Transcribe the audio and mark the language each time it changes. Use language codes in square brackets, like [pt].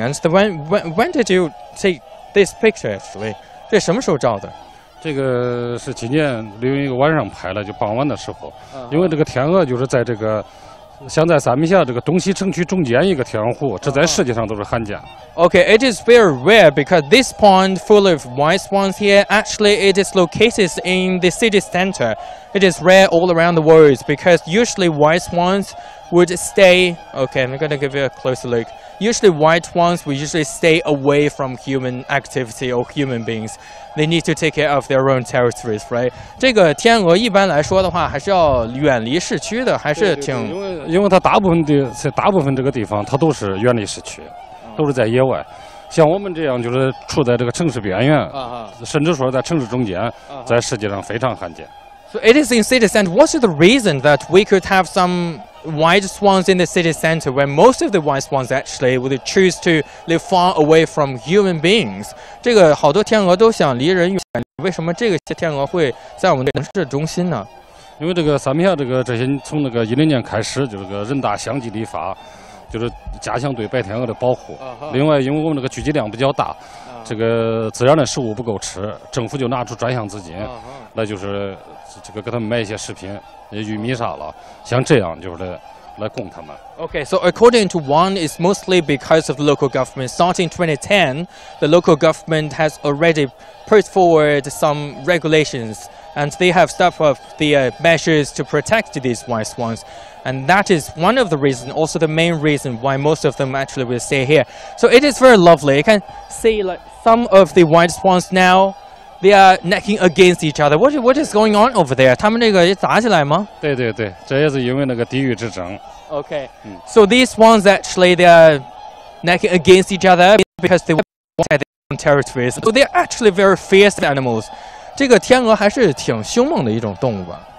[en] And when did you take this picture actually? [zh] 这什么时候照的？这个是今年利用一个晚上拍了，就傍晚的时候。因为这个天鹅就是在这个，像在三门峡这个东西城区中间一个天鹅湖，这在世界上都是罕见。 [en] Okay, it is very rare because this pond full of white swans here, actually it is located in the city center. It is rare all around the world because usually white swans would stay, okay, I'm going to give you a closer look. Usually white swans would usually stay away from human activity or human beings. They need to take care of their own territories, right? [zh] 这个天鹅一般来说的话还是要远离市区的，还是挺。因为它大部分这个地方它都是远离市区。都是在野外，像我们这样就是处在这个城市边缘，甚至说在城市中间，在世界上非常罕见。 [en] So it is in city center. What is the reason that we could have some white swans in the city center when most of the white swans actually would choose to live far away from human beings? [zh] 这个好多天鹅都想离人远，为什么这个天鹅会在我们城市中心呢？因为这个三门峡这些从2010年开始，就是个人大相继立法。就是假象对白天鹅的保护。另外，因为我们这个聚集量比较大，这个自然的食物不够吃，政府就拿出专项资金，那就是这个给他们买一些食品，玉米啥了，像这样就是来供他们。 [en] Okay, so according to one, it's mostly because of local government. Starting 2010, the local government has already put forward some regulations, and they have stepped up the measures to protect these white swans. And that is one of the reasons, also the main reason why most of them actually will stay here. So it is very lovely. You can see like some of the white swans now, they are necking against each other. What is going on over there? [zh] 他们那个也打起来吗？对对对，这也是因为那个地域之争。 [en] Okay. So these swans actually, they are necking against each other because they want their own territories. So they are actually very fierce animals. [zh] 这个天鹅还是挺凶猛的一种动物吧。